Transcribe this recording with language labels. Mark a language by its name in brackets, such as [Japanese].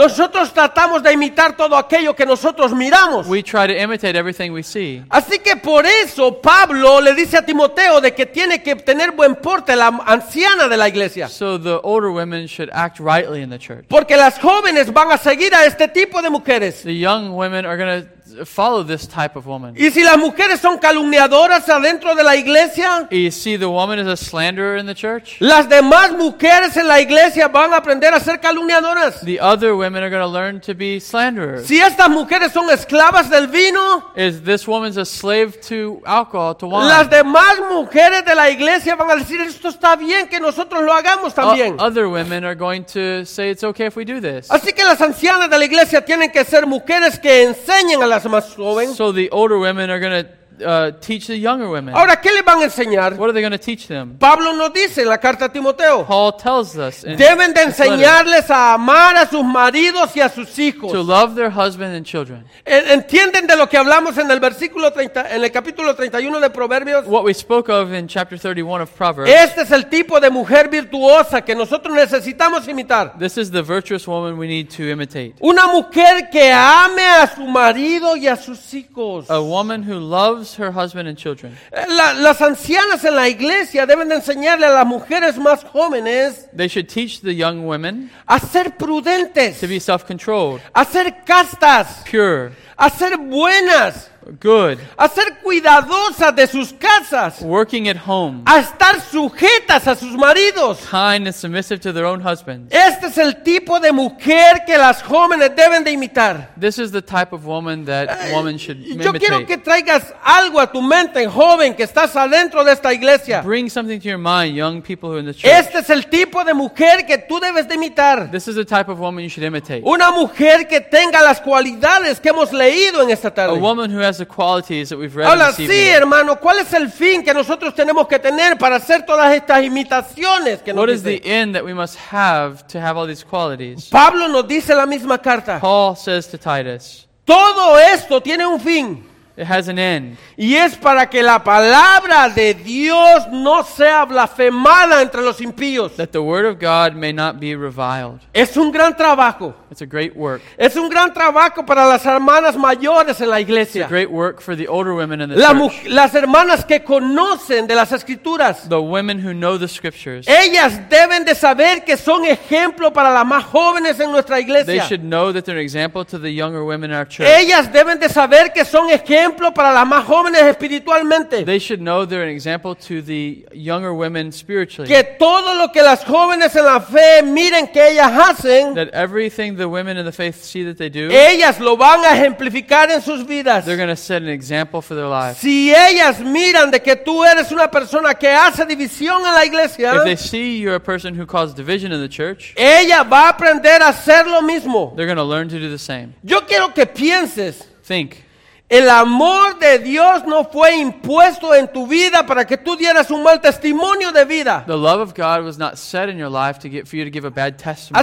[Spanish] Nosotros tratamos de imitar todo aquello que nosotros miramos. [English] We try to imitate everything we see. [Spanish] Así que por eso Pablo le dice a Timoteo de que tiene que tener buen porte la anciana de la iglesia. [English] So the older women should act rightly in the church. [Spanish] Porque las jóvenes van a seguir a este tipo de mujeres. [English] The young women are going to follow this type of woman. [Spanish] ¿Y si las mujeres son calumniadoras adentro de la iglesia? [English] You see, the woman is a slanderer in the church. [Spanish] Las demás mujeres en la iglesia van a aprender a ser calumniadoras. [English] The other women are going to learn to be slanderers. [Spanish] Si estas mujeres son esclavas del vino, [English] is this woman's a slave to alcohol, to wine? [Spanish] Las demás mujeres de la iglesia van a decir, esto está bien que nosotros lo hagamos también. [English] Other women are going to say it's okay if we do this. [Spanish] Así que las ancianas de la iglesia tienen que ser mujeres que enseñen. [English] So the older women are going to teach the younger women. [Spanish] Ahora, ¿qué le van a enseñar? [English] What are they going to teach them? [Spanish] Pablo nos dice en la carta a Timoteo. [English] Paul tells us. [Spanish] Deben de enseñarles a amar a sus maridos y a sus hijos. [English] To love their husband and children. [Spanish] ¿Entienden de lo que hablamos en el versículo 30, en el capítulo 31 de Proverbios? [English] What we spoke of in chapter 31 of Proverbs. [Spanish] Este es el tipo de mujer virtuosa que nosotros necesitamos imitar. [English] This is the virtuous woman we need to imitate. [Spanish] Una mujer que ame a su marido y a sus hijos. [English] A woman who loves her husband and children. [Spanish] Las ancianas en la iglesia deben de enseñarle a las mujeres más jóvenes. [English] They should teach the young women. [Spanish] A ser prudentes. [English] To be self-controlled. [Spanish] A ser castas. [English] Pure. [Spanish] A ser buenas. [English] Good. [Spanish] A ser cuidadosas de sus casas. [English] Working at home. [Spanish] A estar sujetas a sus maridos. [English] Kind and submissive to their own husbands. [Spanish] Este es el tipo de mujer que las jóvenes deben de imitar. [English] This is the type of woman that women should imitate. [Spanish] Yo quiero que traigas algo a tu mente, joven, que estás adentro de esta iglesia. [English] Bring something to your mind, young people who are in the church. [Spanish] Este es el tipo de mujer que tú debes de imitar. [English] This is the type of woman you should imitate. [Spanish] Una mujer que tenga las cualidades que hemos leído en esta tarde. [English] A woman who has the qualities that we've read. [Spanish] Hola, [English] this [Spanish] sí, hermano, ¿cuál es el fin que nosotros tenemos que tener para hacer todas estas imitaciones que [English] What [Spanish] nos [English] is [Spanish] dice? [English] The end that we must have to have all these qualities? [Spanish] Pablo nos dice la misma carta. [English] Paul says to Titus. [Spanish] Todo esto tiene un fin. [English] It has an end. [Spanish] Y es para que la palabra de Dios no sea blasfemada entre los impíos. [English] That the word of God may not be reviled. [Spanish] Es un gran trabajo. [English] It's a great work. [Spanish] Es un gran trabajo para las hermanas mayores en la iglesia. [English] It's a great work for the older women in the [Spanish] church. Las hermanas que conocen de las escrituras. [English] The women who know the scriptures. [Spanish] Ellas deben de saber que son ejemplo para las más jóvenes en nuestra iglesia. [English] They should know that they're an example to the younger women in our church. [Spanish] Ellas deben de saber que son ejemplo para las más jóvenes espiritualmente. [English] They should know they're an example to the younger women spiritually. [Spanish] Que todo lo que las jóvenes en la fe miren que ellas hacen. [English] That everything the women in the faith see that they do. [Spanish] Ellas lo van a ejemplificar en sus vidas. [English] They're going to set an example for their lives. [Spanish] Si ellas miran de que tú eres una persona que hace división en la iglesia. [English] If they see you're a person who caused division in the church. [Spanish] Ella va a aprender a hacer lo mismo. [English] They're going to learn to do the same. [Spanish] Yo quiero que pienses. [English] Think. [Spanish] El amor de Dios no fue impuesto en tu vida para que tú dieras un mal testimonio de vida. [English] The love of God was not set in your life for you to give a bad testimony.